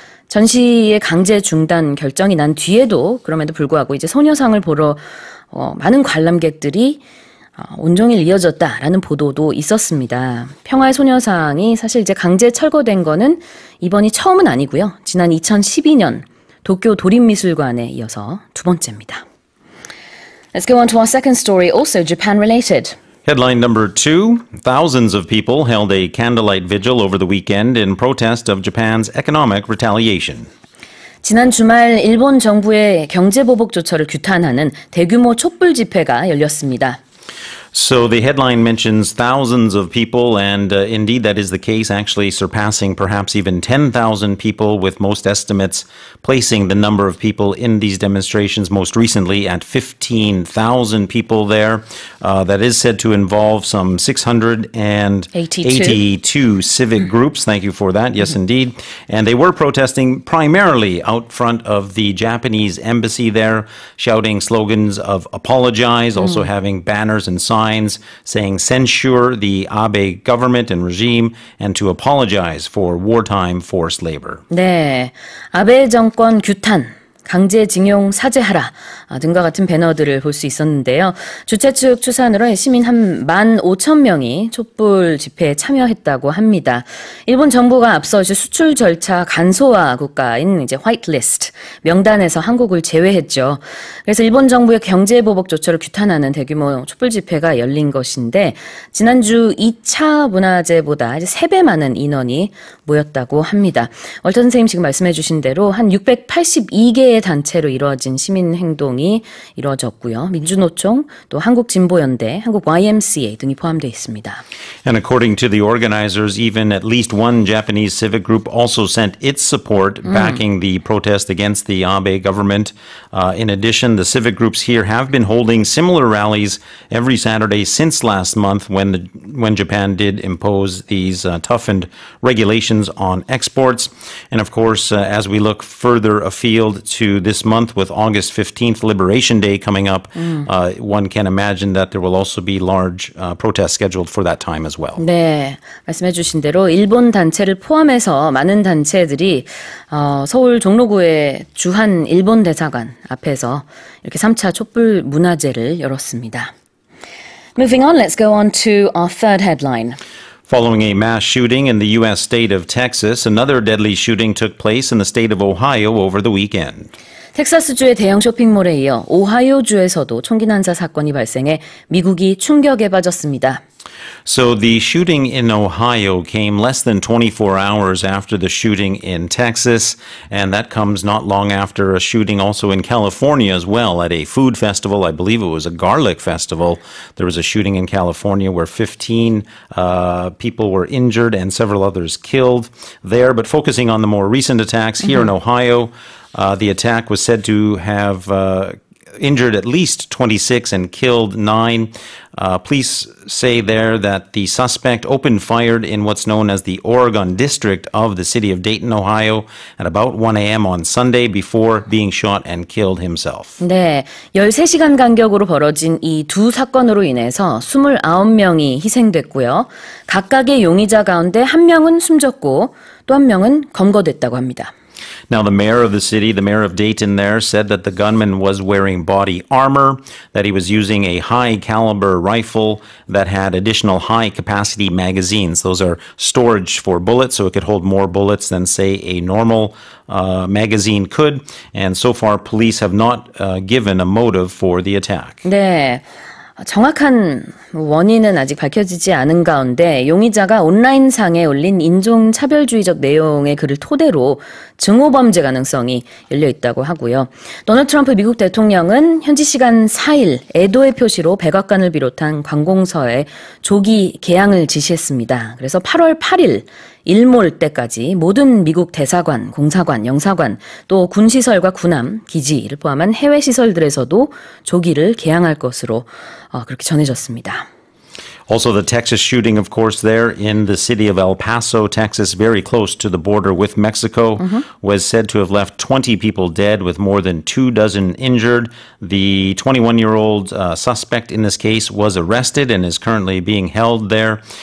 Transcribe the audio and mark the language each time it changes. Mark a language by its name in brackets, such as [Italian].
[Korean] 전시의 강제 중단 결정이 난 뒤에도 그럼에도 불구하고 이제 소녀상을 보러 많은 관람객들이 온종일 이어졌다라는 보도도 있었습니다. 평화의 소녀상이 사실 이제 강제 철거된 거는 이번이 처음은 아니고요. 지난 2012년 도쿄 도립미술관에 이어서 두 번째입니다. [English] Let's go on to our second story, also Japan related. Headline number two, thousands of people held a candlelight vigil over the weekend in protest of Japan's economic retaliation. [Korean] 지난 주말 일본 정부의 경제보복 조처를 규탄하는 대규모 촛불 집회가 열렸습니다. [English] So the headline mentions thousands of people, and indeed that is the case, actually surpassing perhaps even 10,000 people, with most estimates placing the number of people in these demonstrations most recently at 15,000 people there. That is said to involve some 682 civic groups. Thank you for that. Yes, indeed. And they were protesting primarily out front of the Japanese embassy there, shouting slogans of apologize, also having banners and signs saying censure the Abe government and regime and to apologize for wartime forced labor. [Korean] 네, 아베 정권 규탄, 강제징용 사죄하라 등과 같은 배너들을 볼 수 있었는데요. 주최 측 추산으로 시민 한 1만 5천 명이 촛불 집회에 참여했다고 합니다. 일본 정부가 앞서 이제 수출 절차 간소화 국가인 이제 화이트리스트 명단에서 한국을 제외했죠. 그래서 일본 정부의 경제보복 조처를 규탄하는 대규모 촛불 집회가 열린 것인데 지난주 2차 문화제보다 이제 3배 많은 인원이 모였다고 합니다. 월터 선생님 지금 말씀해 주신 대로 한 682개의 단체로 이루어진 시민행동 이루어졌고요. 민주노총, 또 한국진보연대, 한국 YMCA 등이 포함되어 있습니다. [English] And according to the organizers, even at least one Japanese civic group also sent its support backing the protest against the Abe government. In addition, the civic groups here have been holding similar rallies every Saturday since last month when Japan did impose these toughened regulations on exports. And of course, as we look further afield to this month with August 15th, Liberation Day coming up, one can imagine that there will also be large protests scheduled for that time as well. [Korean] 네, 말씀해 주신 대로 일본 단체를 포함해서 많은 단체들이 서울 종로구의 주한 일본 대사관 앞에서 이렇게 3차 촛불 문화제를 열었습니다. [English] Moving on, let's go on to our third headline. Following a mass shooting in the U.S. state of Texas, another deadly shooting took place in the state of Ohio over the weekend. [Korean] 텍사스주의 대형 쇼핑몰에 이어 오하이오주에서도 총기 난사 사건이 발생해 미국이 충격에 빠졌습니다. [English] So the shooting in Ohio came less than 24 hours after the shooting in Texas, and that comes not long after a shooting also in California as well at a food festival. I believe it was a garlic festival. There was a shooting in California where 15 people were injured and several others killed there. But focusing on the more recent attacks here in Ohio, the attack was said to have injured at least 26 and killed 9. Police say there that the suspect opened fire in what's known as the Oregon District of the city of Dayton, Ohio, at about 1 a.m. on Sunday before being shot and killed himself. [Korean] 네, 13시간 간격으로 벌어진 이 두 사건으로 인해서 29명이 희생됐고요. 각각의 용의자 가운데 한 명은 숨졌고 또 한 명은 검거됐다고 합니다. [English] Now, the mayor of the city, the mayor of Dayton there, said that the gunman was wearing body armor, that he was using a high-caliber rifle that had additional high-capacity magazines. Those are storage for bullets, so it could hold more bullets than, say, a normal magazine could. And so far, police have not given a motive for the attack. [Korean] 네. 정확한 원인은 아직 밝혀지지 않은 가운데 용의자가 온라인상에 올린 인종차별주의적 내용의 글을 토대로 증오범죄 가능성이 열려 있다고 하고요. 도널드 트럼프 미국 대통령은 현지 시간 4일 애도의 표시로 백악관을 비롯한 관공서에 조기 개항을 지시했습니다. 그래서 8월 8일 일몰 때까지 모든 미국 대사관, 공사관, 영사관, 또 군시설과 군함, 기지를 포함한 해외시설들에서도 조기를 개항할 것으로 그렇게 전해졌습니다. [English] Also, the Texas shooting, of course, there in the city of El Paso, Texas, very close to the border with Mexico, mm-hmm. was said to have left 20 people dead with more than two dozen injured. The 21-year-old suspect in this case was arrested and is currently being held there.